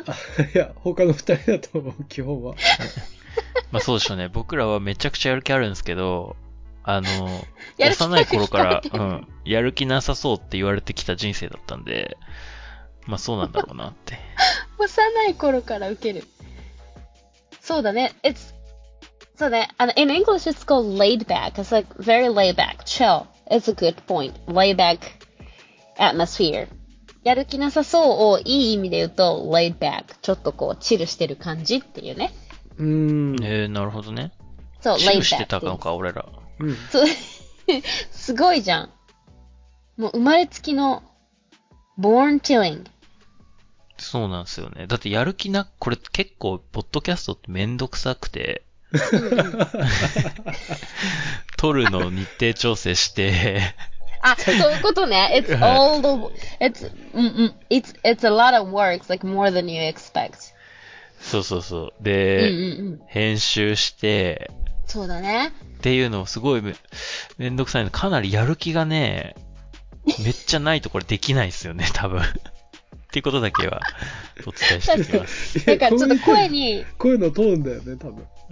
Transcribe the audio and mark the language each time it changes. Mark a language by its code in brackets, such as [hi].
[ja] いや、他の二人だと思う、基本は。まあそうでしょうね。僕らはめちゃくちゃやる気あるんですけど、幼い頃から、うん、やる気なさそうって言われてきた人生だったんで、まあそうなんだろうなって。幼い頃から受ける。そうだね。 [en] It's... So that, and in English it's called laid back. It's like very laid back, chill. It's a good point. Laid back atmosphere. [ja] やる気なさそうをいい意味で言うと laid back. ちょっとこうチルしてる感じっていうね。なるほどね。そう、 laid back。 チルしてたのか、俺ら。うん、すごいじゃん。もう生まれつきの [en] born chilling。 [ja] そうなんですよね。だってやる気な、これ結構、ポッドキャストってめんどくさくて、撮るの日程調整してあ、そういうことね。 [en] It's all the it's it's a lot of work, like more than you expect. [ja] そうそうそう。で、うんうん、編集して、そうだね。っていうのすごい めんどくさいの。かなりやる気がね、めっちゃないとこれできないですよね、多分。っていうことだけはお伝えしておきます。だからちょっと声に声のトーンだよね、多分